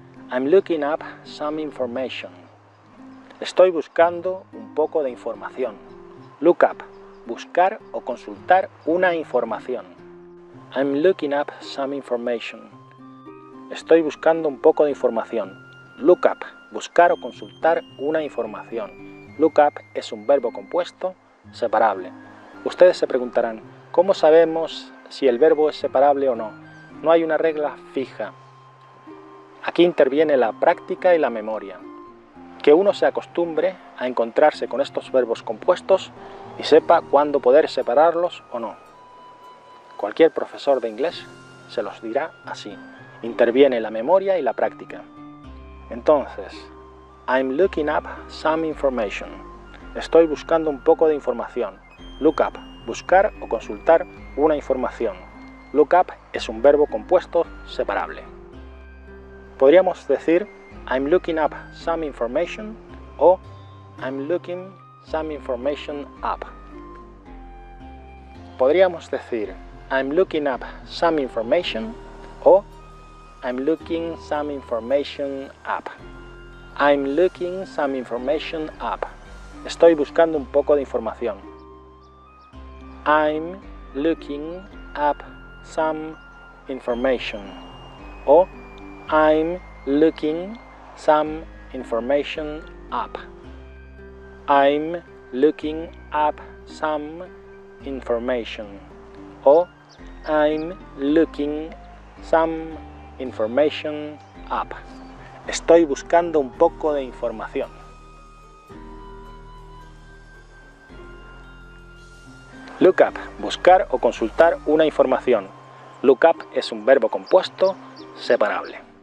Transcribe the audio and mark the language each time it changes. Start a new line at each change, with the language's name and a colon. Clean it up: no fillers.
English: I'm looking up some information.
Spanish: Estoy buscando un poco de información. Look up, buscar o consultar una información.
English: I'm looking up some information.
Spanish: Estoy buscando un poco de información. Look up, buscar o consultar una información. Look up es un verbo compuesto separable. Ustedes se preguntarán, ¿cómo sabemos si el verbo es separable o no? No hay una regla fija. Aquí interviene la práctica y la memoria. Que uno se acostumbre a encontrarse con estos verbos compuestos y sepa cuándo poder separarlos o no. Cualquier profesor de inglés se los dirá así. Interviene la memoria y la práctica.
English: Entonces, I'm looking up some information.
Spanish: Estoy buscando un poco de información. Look up, buscar o consultar una información. Look up es un verbo compuesto separable. Podríamos decir
English: I'm looking up some information o I'm looking some information up.
Spanish: Podríamos decir
English: I'm looking up some information o I'm looking some information up. I'm looking some information up.
Spanish: Estoy buscando un poco de información.
English: I'm looking up some information. O I'm looking some information up. I'm looking up some information. O I'm looking some information up.
Spanish: Estoy buscando un poco de información. Look up, buscar o consultar una información. Look up es un verbo compuesto separable.